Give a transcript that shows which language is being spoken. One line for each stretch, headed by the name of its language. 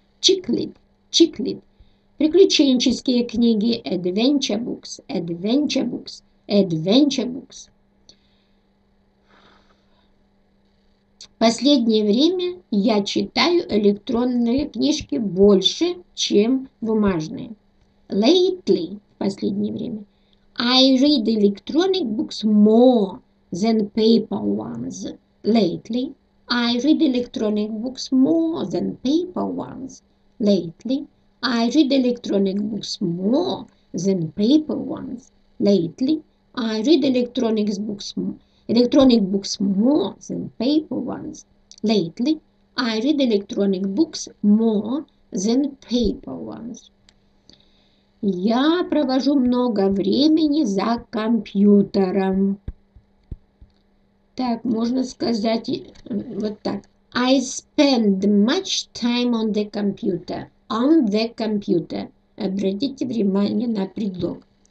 Russian: Чиклит, чиклит. Приключенческие книги,
English: adventure books, adventure books, adventure books.
Russian: Последнее время я читаю электронные книжки больше, чем бумажные. Lately, в последнее время.
English: I read electronic books more than paper ones. Lately, I read electronic books more than paper ones. Lately, I read electronic books more than paper ones. Lately, I read electronic books more than paper ones. Lately, I read electronic books more than paper ones.
Russian: Я провожу много времени за компьютером. Так, можно сказать вот так.
English: I spend much time on the computer. On the computer.
Russian: Обратите внимание на предлог.